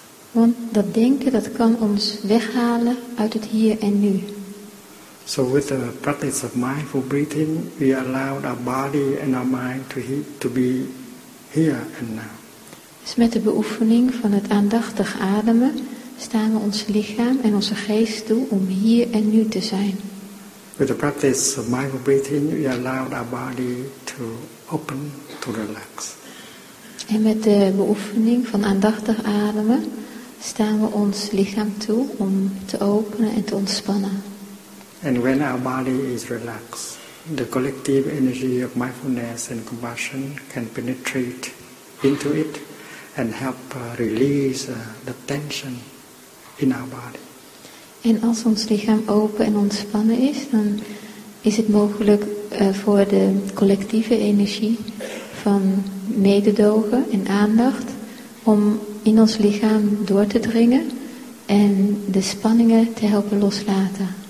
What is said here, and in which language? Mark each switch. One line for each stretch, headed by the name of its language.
Dutch: Want dat denken dat kan ons weghalen uit het hier en nu.
English: So with the practice of mindful breathing, we allow our body and our mind to be here and now.
Dutch: Dus met de beoefening van het aandachtig ademen staan we ons lichaam en onze geest toe om hier en nu te zijn.
English: With the practice of mindful breathing, we allow our body to open, to relax.
Dutch: En met de beoefening van aandachtig ademen staan we ons lichaam toe om te openen en te ontspannen.
English: And when our body is relaxed, the collective energy of mindfulness and compassion can penetrate into it and help release the tension in our body.
Dutch: En als ons lichaam open en ontspannen is, dan is het mogelijk voor de collectieve energie van mededogen en aandacht om in ons lichaam door te dringen en de spanningen te helpen loslaten.